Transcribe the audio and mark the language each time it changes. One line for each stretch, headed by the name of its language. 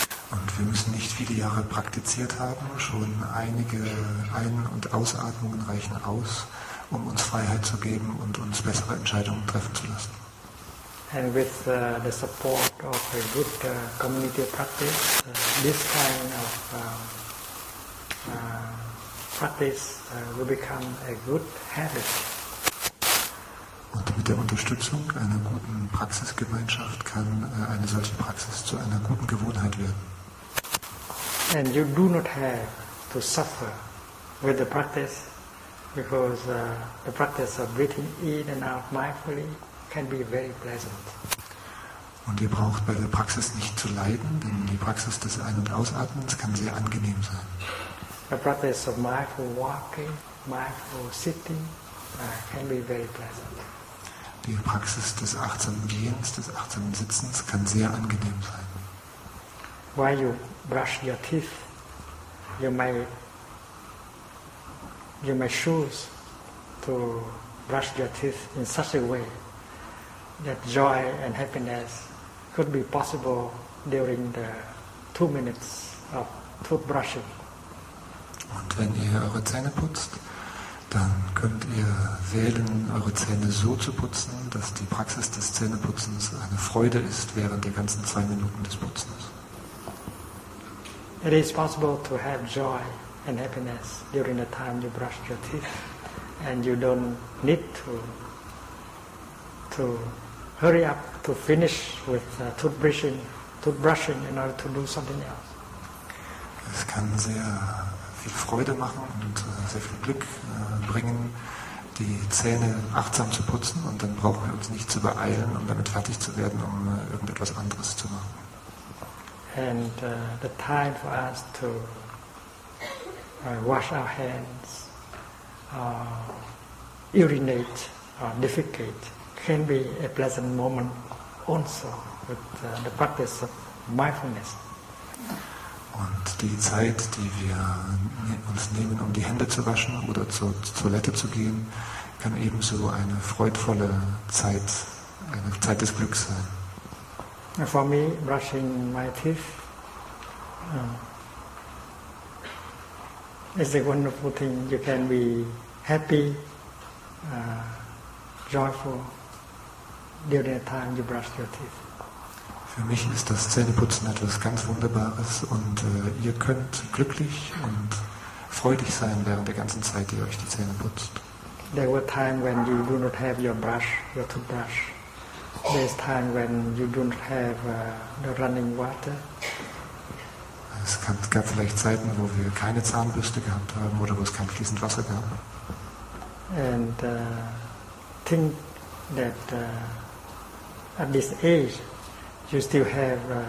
German: Und wir müssen nicht viele Jahre praktiziert haben. Schon einige Ein- und Ausatmungen reichen aus, um uns Freiheit zu geben und uns bessere Entscheidungen treffen zu lassen.
English: And with the support of a good community practice, this kind of practice will become a good habit.
German: Und mit der Unterstützung einer guten Praxisgemeinschaft kann eine solche Praxis zu einer guten Gewohnheit werden.
English: And you do not have to suffer with the practice, because the practice of breathing in and out mindfully can be very pleasant.
German: Und ihr braucht bei der Praxis nicht zu leiden, denn die Praxis des Ein- und Ausatmens kann sehr angenehm sein.
English: The practice of mindful walking, mindful sitting can be very pleasant.
German: Die Praxis des achtsamen Gehens, des achtsamen Sitzens kann sehr angenehm sein.
English: While you brush your teeth, you may choose to brush your teeth in such a way that joy and happiness could be possible during the 2 minutes of toothbrushing.
German: Und wenn ihr eure Zähne putzt, dann könnt ihr wählen, eure Zähne so zu putzen, dass die Praxis des Zähneputzens eine Freude ist während der ganzen 2 Minuten des Putzens.
English: It is possible to have joy and happiness during the time you brush your teeth, and you don't need to hurry up to finish with toothbrushing in order to do something else.
German: Es kann sehr viel Freude machen und sehr viel Glück bringen, die Zähne achtsam zu putzen, und dann brauchen wir uns nicht zu beeilen, um damit fertig zu werden, um irgendetwas anderes zu machen.
English: And the time for us to wash our hands, urinate, defecate can be a pleasant moment also with the practice of mindfulness.
German: Und die Zeit, die wir uns nehmen, um die Hände zu waschen oder zur Toilette zu gehen, kann ebenso eine freudvolle Zeit, eine Zeit des Glücks sein.
English: For me, brushing my teeth is a wonderful thing. You can be happy, joyful during the time you brush your teeth.
German: Für mich ist das Zähneputzen etwas ganz Wunderbares, und ihr könnt glücklich und freudig sein während der ganzen Zeit, die ihr euch die Zähne putzt.
English: There were times when you do not have your brush, your toothbrush. There is time when you do not have the running water.
German: Es gab vielleicht Zeiten, wo wir keine Zahnbürste gehabt haben oder wo es kein fließend Wasser gab.
English: And think that at this age, you still have